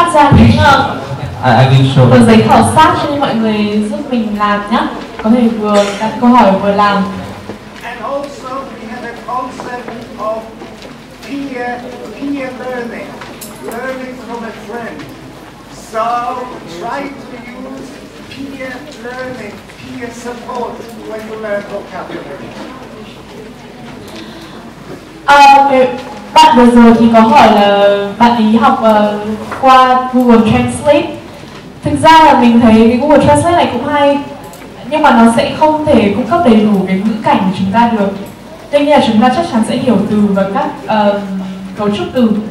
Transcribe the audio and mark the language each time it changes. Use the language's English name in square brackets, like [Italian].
[Vietnamese] Hiện tại bây giờ thì chúng tôi đang phát ra những tờ giấy khảo sát cho mọi người giúp mình làm nhé. Có thể vừa đặt câu hỏi vừa làm. [English] And also we have a concept of peer learning. Learning from a friend. So try to use peer learning, peer support when you learn vocabulary. [Vietnamese] Bạn vừa rồi thì có hỏi là bạn ý học qua Google Translate. Thực ra là mình thấy cái Google Translate này cũng hay, nhưng mà nó sẽ không thể cung cấp đầy đủ cái ngữ cảnh của chúng ta được. Tuy nhiên là chúng ta chắc chắn sẽ hiểu từ và các cấu trúc từ.